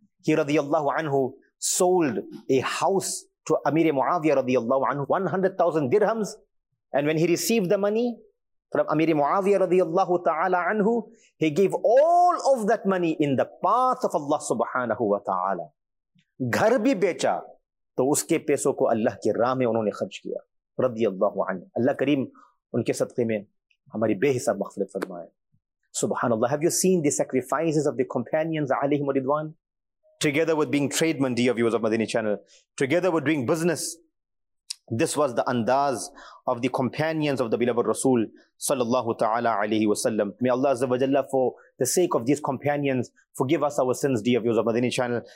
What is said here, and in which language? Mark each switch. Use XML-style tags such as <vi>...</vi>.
<en>He radiallahu anhu sold a house to Amir Muawiyah radiallahu anhu, 100,000 dirhams. And when he received the money from Amir Muawiyah radiallahu ta'ala anhu, he gave all of that money in the path of Allah subhanahu wa ta'ala.</en> <ur>Ghar bhi becha. تو اس کے پیسوں کو اللہ کی راہ میں انہوں نے خرچ کیا رضی اللہ عنہ. اللہ کریم ان کے صدقے میں ہماری بے حساب مغفرت فرمائے. سبحان اللہ.</ur> <en>Have you seen the sacrifices of the companions alayhim ridwan, together with being trademen, dear viewers of Madini channel, together with doing business? This was the andaz of the companions of the beloved Rasul sallallahu ta'ala alayhi wa sallam. May Allah azza wa jalla, for the sake of these companions, forgive us our sins, dear viewers of Madini channel.</en>